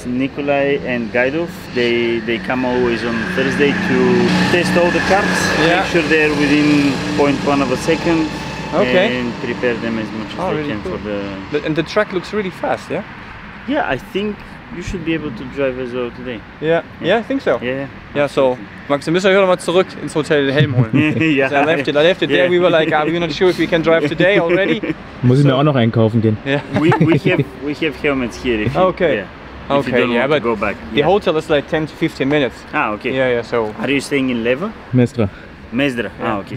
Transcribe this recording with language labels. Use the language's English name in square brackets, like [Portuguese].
[English] Yes, Nikolai and Gaidov, they come always on Thursday to test all the cards, yeah, make sure they're within 0.1 of a second. Okay. And prepare them as much as they can for the... And the track looks really fast, yeah? Yeah, I think you should be able to drive as well today. Yeah, I think so. Yeah, [German] so, Max, wir müssen euch nochmal zurück ins Hotel den Helm holen. Ja. [English] So I left it there, we were like, are we not sure if we can drive today already? [German] Muss ich mir auch noch einkaufen gehen. [English] Yeah. We have helmets here. The hotel is like 10 to 15 minutes. So... Are you staying in Leva? Mestra. Mezdra, yeah. Okay.